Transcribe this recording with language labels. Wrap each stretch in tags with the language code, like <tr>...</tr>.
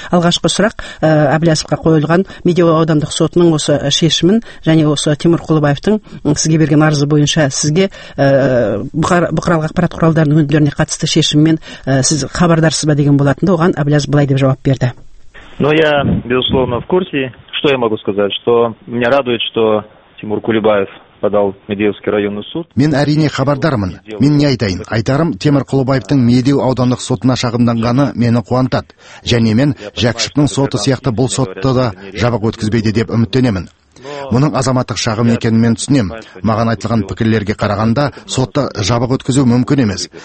<kk>Алғашқы сұрақ Әблязовқа қойылған Медеу аудандық сотының осы шешімін және осы Тимур Құлыбаевтың сізге берген арызы бойынша сізге бұқаралық ақпарат құралдарының өнімдеріне қатысты шешімімен сіз хабардарсыз ба деген болатын да, оған Әблязов былай деп жауап берді.</kk> <ru>Но я, безусловно, в курсе. Что я могу сказать? Что меня радует, что Тимур Құлыбаев подал Медеуский районный суд.</ru> <kk>Мен әрине хабардармын. Мен не айтайын? Айтарым, Тимур Құлыбаевтың Медеу аудандық сотына шағымданғаны мені қуантады. Және мен Жәкішевтің соты сияқты бұл сотты да жабық өткізбейді деп үміттенемін. Мұның азаматтық шағым екенін мен түсінем. Маған айтылған пікірлерге қарағанда, сотты жабық өткізу мүмкін емес.</kk>